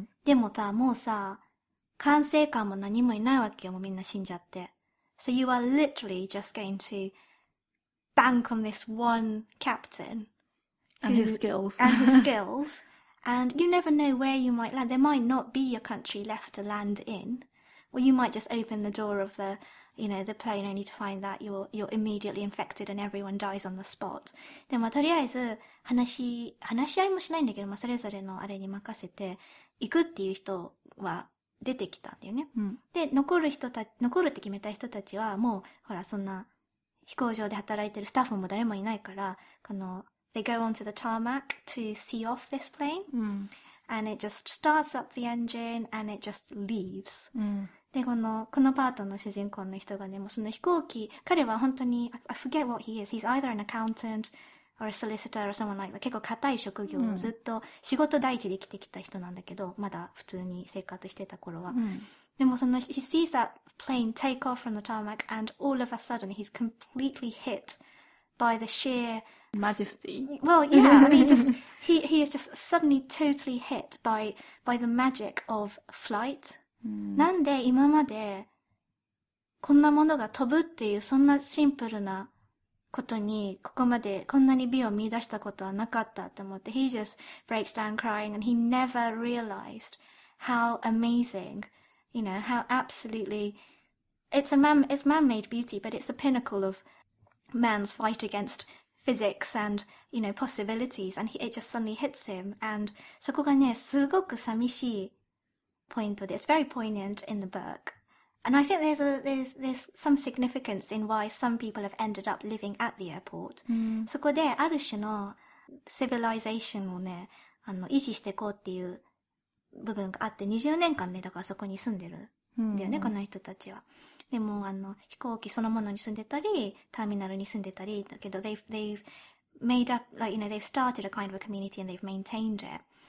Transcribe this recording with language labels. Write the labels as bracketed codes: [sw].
[ja] でもさ、もうさ、管制官も何もいないわけよ。もうみんな死んじゃって。 [en] So you are literally just going to bank on this one captain And his skills. and his skills. And you never know where you might land. There might not be a country left to land in. Or you might just open the door of the, the plane only to find that you're immediately infected and everyone dies on the spot. [ja] でも、とりあえず話し合いもしないんだけど、まあ、それぞれのあれに任せて行くっていう人は出てきたんだよね。で、残るって決めた人たちは、もう、ほら、そんな、飛行場で働いてるスタッフも誰もいないから、 [en] they go onto the tarmac to see off this plane. and it just starts up the engine and it just leaves. [ja] うん。で、このパートの主人公の人がね、もうその飛行機、彼は本当に、 [en] I forget what he is. He's either an accountant or a solicitor or someone like that. [ja] 結構硬い職業をずっと仕事第一で生きてきた人なんだけど、まだ普通に生活してた頃は。うん、でもその、 [en] he sees that plane take off from the tarmac and all of a sudden he's completely hit by the sheer majesty. Well, yeah, I mean, just, he is just suddenly totally hit by the magic of flight. [ja] なんで今までこんなものが飛ぶっていうそんなシンプルなことにここまでこんなに美を見出したことはなかったと思って [en] He just breaks down crying and he never realized how amazing, you know, how absolutely it's man-made beauty, but it's a pinnacle of man's fight against physics and, you know, possibilities and it just suddenly hits him and [ja] そこがね、すごく寂しい [en] point of it. It's very poignant in the book. And I think there's some significance in why some people have ended up living at the airport.、 Mm. [ja] そこである種の civilization をね、維持していこうっていう部分があって、20年間ね、だからそこに住んでるんだよね、この人たちは。でも、飛行機そのものに住んでたり、ターミナルに住んでたり、だけど、 [en] they've made up, like, you know, they've started a kind of a community and they've maintained it.